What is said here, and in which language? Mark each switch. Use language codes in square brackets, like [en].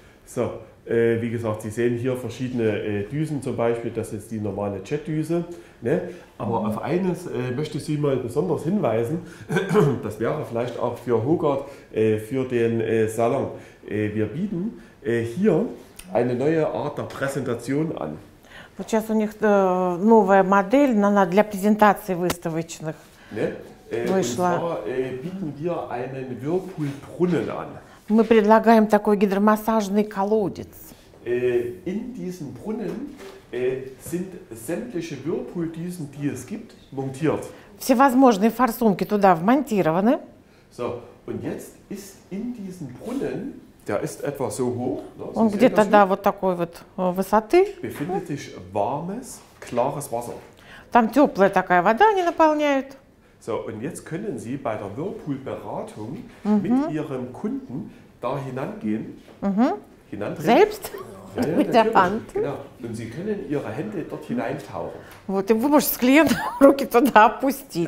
[de] So, wie gesagt, Sie sehen hier verschiedene Düsen zum Beispiel. Das ist die normale Jetdüse. Ne? Aber auf eines möchte ich Sie mal besonders hinweisen. Das wäre vielleicht auch für Hogart, für den Salon. Wir bieten hier eine neue Art der Präsentation an. [ru] Вот сейчас у них новая модель она для презентации выставочных. Ne? Вышла. [de] Und zwar bieten wir einen Whirlpool-Brunnen an. [ru] Мы предлагаем такой гидромассажный колодец. [de] In diesem Brunnen sind sämtliche Whirlpool-Düsen, die es gibt, montiert. [ru] В всевозможные форсунки туда вмонтированы. [de] So, und jetzt ist in diesen Brunnen, der ist etwa so hoch, [ru] он где-то, да, вот такой вот высоты, [de] befindet sich warmes, klares Wasser. [ru] Там теплая такая вода, они наполняют. [de] So, und jetzt können Sie bei der Whirlpool-Beratung mm-hmm. mit Ihrem Kunden da hineingehen. Mm-hmm. Selbst? Ja, ja, mit der Hand. Genau. Und Sie können Ihre Hände dort hineintauchen. [ru] Вот, и вы можете с клиентом руки туда опустить.